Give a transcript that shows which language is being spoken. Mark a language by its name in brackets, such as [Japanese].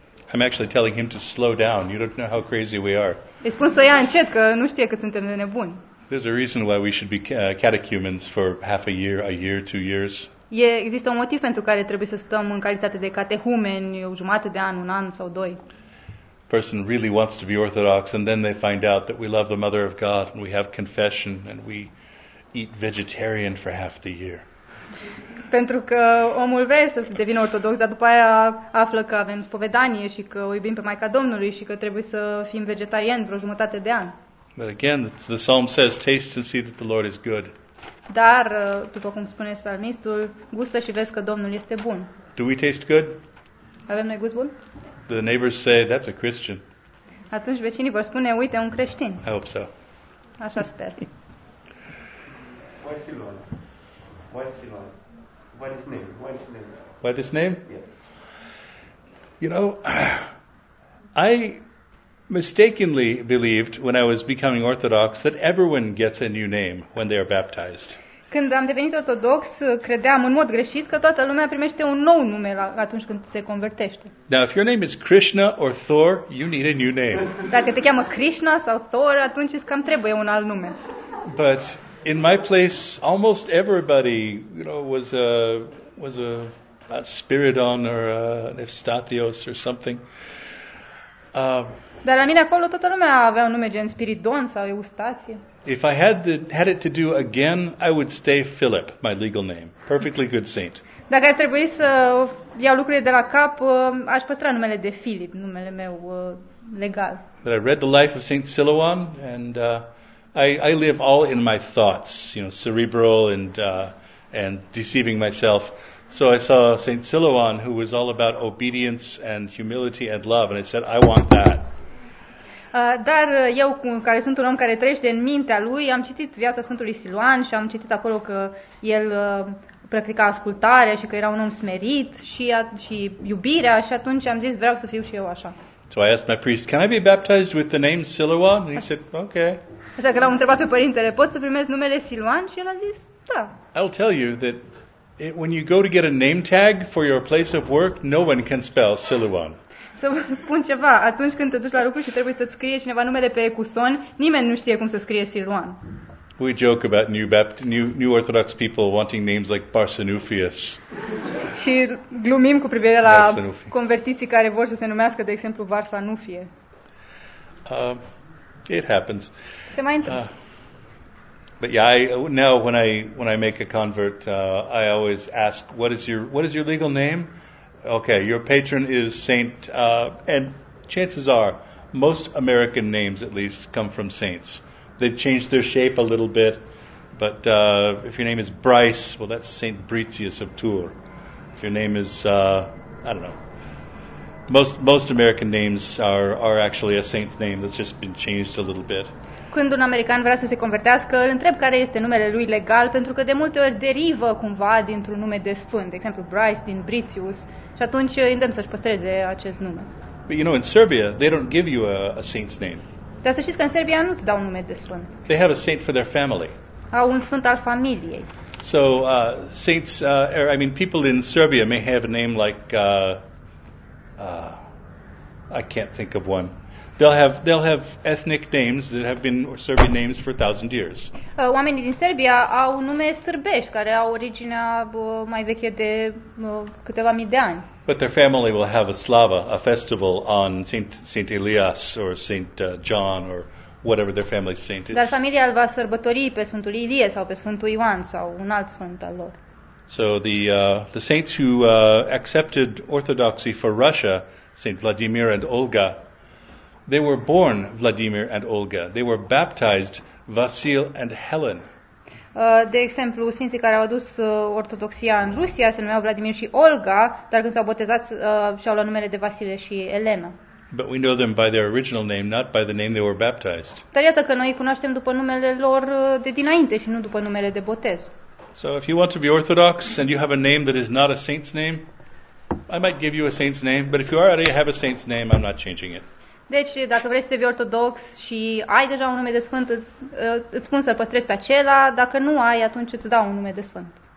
[English] I'm actually telling him to slow down. You don't know how crazy we are. [Romanian] Îi spun să ia încet, că nu știe cât suntem de nebuni. [English] There's a reason why we should be catechumens for half a year, 2 years. [Romanian] Există un motiv pentru care trebuie să stăm în calitate de catehumeni o jumătate de an, un an sau doi. [English] Person really wants to be Orthodox and then they find out that we love the Mother of God and we have confession and we eat vegetarian for half the year. [Romanian] Pentru că omul vrea să devină ortodox, dar după aia află că avem spovedanie și că o iubim pe Maica Domnului și că trebuie să fim vegetarian vreo jumătate de an. [English] But again, the psalm says, taste and see that the Lord is good. [Romanian] Dar, după cum spune psalmistul, gustă și vezi că Domnul este bun. [English] Do we taste good? [Romanian] Avem noi gust bun? [English] The neighbors say, that's a Christian. [Romanian] Atunci vecinii vor spune, uite, un creștin. [English] I hope so. [Romanian] Așa sper. [English] Why Siloam? Why Siloam? Why this name? Why this name? Why this name? Yeah. You know, I mistakenly believed when I was becoming Orthodox that everyone gets a new name when they are baptized. [Romanian] Când am devenit ortodox, credeam în mod greșit că toată lumea primește un nou nume atunci când se convertește. [English] Now, if your name is Krishna or Thor, you need a new name. [Romanian] Dacă te cheamă Krishna sau Thor, atunci îți cam trebuie un alt nume. [English] But in my place, almost everybody, you know, was a Spiridon or an Efstathios or something. [Romanian] Dar la mine acolo toată lumea avea un nume gen Spiridon sau Eustatie. [English] If I had had it to do again, I would stay Philip, my legal name. Perfectly good saint. [Romanian] Dacă ar trebui să iau lucrurile de la cap, aș păstra numele de Philip, numele meu legal. [English] But I read the life of Saint Silouan and I live all in my thoughts, you know, cerebral and deceiving myself. So I saw Saint Silouan, who was all about obedience and humility and love, and I said, I want that. [Romanian] Dar eu, care sunt un om care trăiește în mintea lui, am citit viața Sfântului Silouan și am citit acolo că el practica ascultarea și că era un om smerit și iubirea, și atunci am zis, vreau să fiu și eu așa. [English] So I asked my priest, can I be baptized with the name Silouan? And he said, okay. [Romanian] Așa că l-am întrebat pe părintele, pot să primesc numele Silouan? Și el a zis, da. [English] I'll tell you that when you go to get a name tag for your place of work, no one can spell Silouan. [Romanian] Să vă spun ceva, atunci când te duci la lucru și trebuie să-ți scrie cineva numele pe ecuson, nimeni nu știe cum să scrie Silouan. [English] We joke about new Orthodox people wanting names like Barsanufius. [Romanian] Și glumim cu privire la convertiții care vor să se numească, de exemplu, Barsanufie. [English] It happens. [Romanian] Se mai întâmplă. [English] But yeah, now when I make a convert, I always ask, what is your legal name? Okay, your patron is Saint, and chances are, most American names at least come from saints. They've changed their shape a little bit, but if your name is Bryce, well, that's Saint Bricius of Tours. If your name is, I don't know, most American names are actually a saint's name that's just been changed a little bit. [Romanian] Când un american vrea să se convertească, îl întreb care este numele lui legal, pentru că de multe ori derivă cumva dintr-un nume de sfânt, de exemplu Bryce din Bricius, și atunci îndemn să-și păstreze acest nume. [English] But you know, in Serbia, they don't give you a saint's name. [Romanian] Dar să știți că în Serbia nu-ți dau un nume de sfânt. [English] They have a saint for their family. [Romanian] Au un sfânt al familiei. [English] So, saints, or, I mean, people in Serbia may have a name like, I can't think of one. They'll have ethnic names that have been Serbian names for 1,000 years. [Romanian] Oamenii din Serbia au nume sârbești care au originea mai veche de câteva mii de ani. [English] But their family will have a slava, a festival on Saint Elias or Saint John or whatever their family saint is. [Romanian] Dar familia va sărbători pe Sfântul Ilie sau pe Sfântul Ioan sau un alt sfânt al lor. [English] So the saints who accepted Orthodoxy for Russia, Saint Vladimir and Olga. They were born Vladimir and Olga. They were baptized Vasil and Helen. [Romanian] De exemplu, sfinții care au adus ortodoxia în Rusia se numeau Vladimir și Olga, dar când s-au botezat și-au luat numele de Vasile și Elena. [English] But we know them by their original name, not by the name they were baptized. [Romanian] Dar iată că noi îi cunoaștem după numele lor de dinainte și nu după numele de botez. [English] So if you want to be Orthodox and you have a name that is not a saint's name, I might give you a saint's name, but if you already have a saint's name, I'm not changing it. [Romanian] Deci, dacă vrei să devii ortodox și ai deja un nume de sfânt, îți spun să-l păstrezi pe acela. Dacă nu ai, atunci îți dau un nume de sfânt.